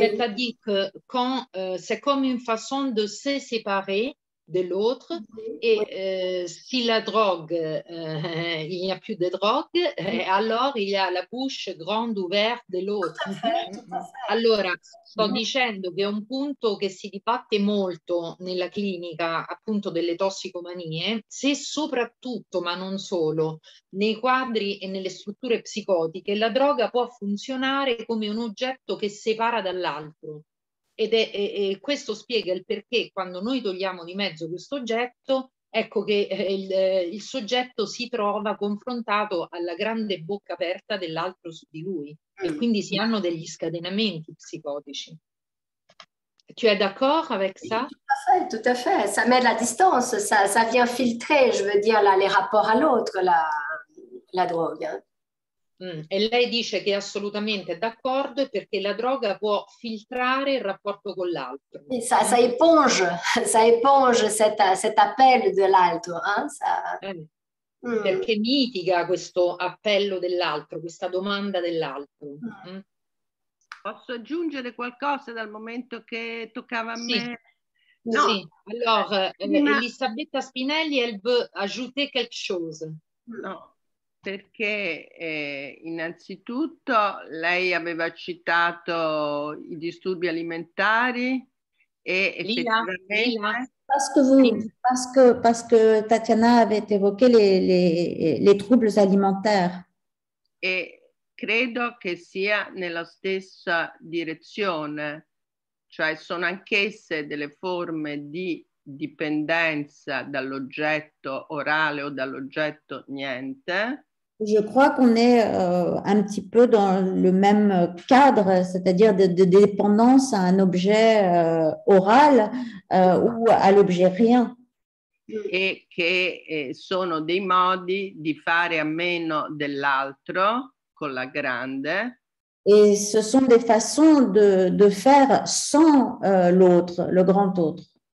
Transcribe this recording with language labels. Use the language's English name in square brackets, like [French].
[French] C'est-à-dire que quand, c'est comme une façon de se séparer de l'autre, et si la drogue, il n'y a plus de drogue, alors il y a la bouche grande ouverte de l'autre. [Italian] Allora, sto dicendo che è un punto che si dibatte molto nella clinica, appunto, delle tossicomanie, se soprattutto, ma non solo, nei quadri e nelle strutture psicotiche, la droga può funzionare come un oggetto che separa dall'altro. Ed è questo spiega il perché quando noi togliamo di mezzo questo oggetto, ecco che il soggetto si trova confrontato alla grande bocca aperta dell'altro su di lui. E quindi si hanno degli scatenamenti psicotici. [French] Tu es d'accord avec ça? Tout à fait, ça met la distance, ça vient filtrer, je veux dire, les rapports à l'autre, la drogue. [Italian] E lei dice che è assolutamente d'accordo perché la droga può filtrare il rapporto con l'altro. [French] Ça éponge cet [Italian] appello dell'altro. Hein? Perché mitiga questo appello dell'altro, questa domanda dell'altro. Posso aggiungere qualcosa dal momento che toccava a me? No. Sì. [French] Alors, Elisabetta Spinelli, elle veut ajouter quelque chose. [Italian] No, perché innanzitutto lei aveva citato i disturbi alimentari e effettivamente... Lila. [French] Parce que Tatiana avait évoqué les troubles alimentaires. [Italian] E credo che sia nella stessa direzione, cioè sono anch'esse delle forme di dipendenza dall'oggetto orale o dall'oggetto niente. [French] Je crois qu'on est un petit peu dans le même cadre, c'est-à-dire de dépendance à un objet oral ou à l'objet rien. [Italian] Et que sono dei modi di fare a meno dell'altro con la grande. [French] Et ce sont des façons de faire sans l'autre, le grand autre.